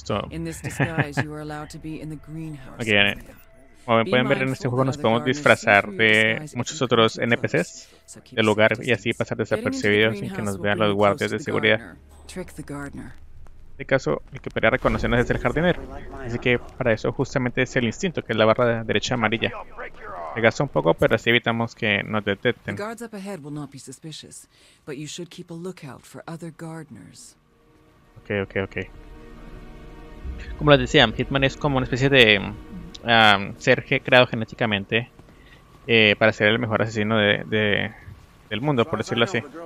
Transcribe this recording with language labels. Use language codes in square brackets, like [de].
[en] In this disguise, you are allowed to be in the greenhouse. Okay. [es] Como pueden ver, en este juego nos podemos disfrazar de muchos otros NPCs del lugar y así pasar desapercibidos sin que nos vean los guardias de seguridad. En este caso, el que podría reconocernos es el jardinero. Así que para eso justamente es el instinto, que es la barra de la derecha amarilla. Se gasta un poco, pero así evitamos que nos detecten. Los guardias [en] ahead will not be suspicious, but you should keep a lookout for other gardeners. Ok. [es] Como les decía, Hitman es como una especie de ser creado genéticamente para ser el mejor asesino del mundo, por decirlo así.